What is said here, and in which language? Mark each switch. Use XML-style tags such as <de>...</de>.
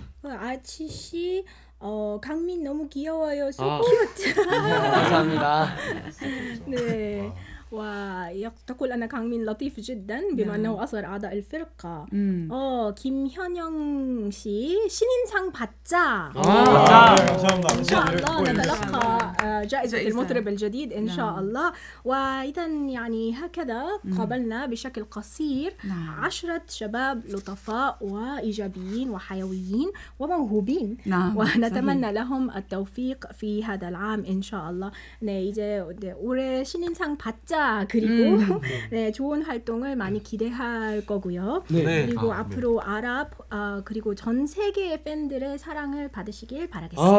<ko>아치 씨 강민 너무 귀여워요.</ko> <en>So cute.</en> <ko>감사합니다. 네. 와, 역대급</ko> <ar>انا 강민 لطيف جدا بما انه اصغر اعضاء الفرقه.</ar> <ko>김현영 씨 신인상 받자. 감사합니다. 감사합니다. 감사합니다.</ko> <ar>جائزة المطرب الجديد ان شاء الله. واذا يعني هكذا قابلنا بشكل قصير 10 شباب لطفاء وايجابيين وحيويين وموهوبين. ونتمنى لهم التوفيق في هذا العام ان شاء الله.</ar> <ko>네, 이제 올해 신인상 받자. 그리고 네, 좋은 활동을 많이 기대할 거고요. 네. 그리고 앞으로 네. 아랍 그리고 전 세계의 팬들의 사랑을 받으시길 바라겠습니다.</ko>